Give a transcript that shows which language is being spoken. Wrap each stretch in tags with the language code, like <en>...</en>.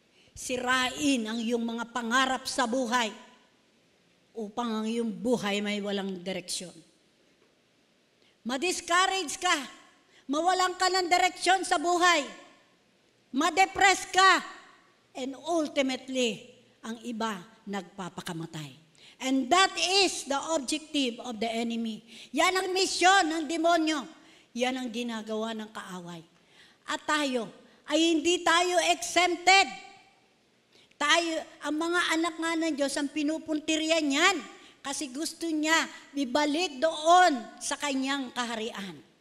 <tl>Sirain ang iyong mga pangarap sa buhay upang ang iyong buhay may walang direksyon. ma-discourage ka, mawalan ka ng direksyon sa buhay, ma-depress ka,</tl> <en>and ultimately,</en> <tl>ang iba nagpapakamatay.</tl> <en>And that is the objective of the enemy.</en> <tl>Yan ang misyon ng demonyo. Yan ang ginagawa ng kaaway. At tayo, ay hindi tayo exempted. Tayo, ang mga anak nga ng Diyos, ang pinupuntirya niyan, kasi gusto niya ibalik doon sa kanyang kaharian.</tl>